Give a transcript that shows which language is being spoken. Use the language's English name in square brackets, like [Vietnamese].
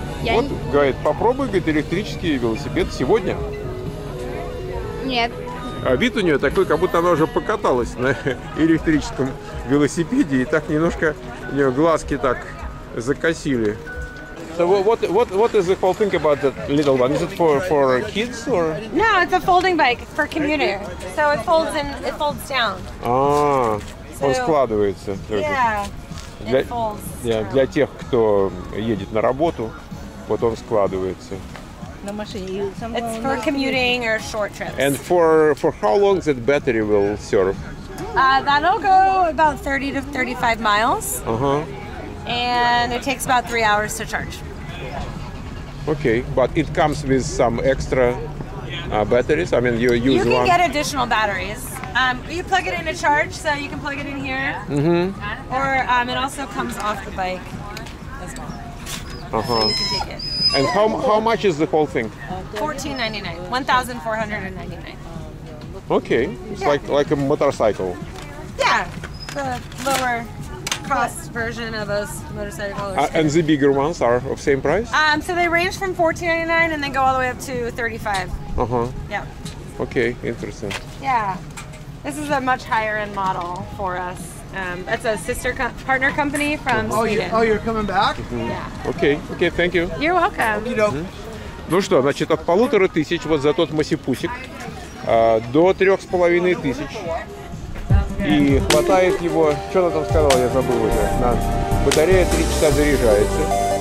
[Russian] Вот, говорит, попробуй, говорит, электрический велосипед сегодня. Нет. А вид у нее такой, как будто она уже покаталась на электрическом велосипеде, и так немножко у нее глазки так закосили. [English] So what is the whole thing about that little one? Is it for kids or? No, it's a folding bike. It's for commuter. So it folds in, it folds down. [Russian] А, он складывается. [English] Yeah, it folds. [Russian] Для тех, кто едет на работу, вот он складывается. [English] It's for commuting or short trips. And for how long that battery will serve? That'll go about 30 to 35 miles. Uh-huh. And it takes about 3 hours to charge. Okay, but it comes with some extra batteries? I mean, you use one? You can get additional batteries. You plug it in to charge, so you can plug it in here. Mm-hmm. Or it also comes off the bike as well. Uh-huh. So you can take it. And how much is the whole thing? $1,499. Okay, it's like a motorcycle. Yeah, the lower cost version of a motorcycle. And the bigger ones are of same price? So they range from $1,499 and then go all the way up to $35. Uh-huh. Yeah. Okay, interesting. Yeah, this is a much higher end model for us. That's a sister partner company from Sweden. Oh, you're coming back? Mm-hmm. Okay, okay, thank you. You're welcome. Mm-hmm. [Russian] Ну что, значит, от 1500 вот за тот масипусик до 3500. И хватает его, что она там сказала, я забыл уже, на батарея 3 часа заряжается.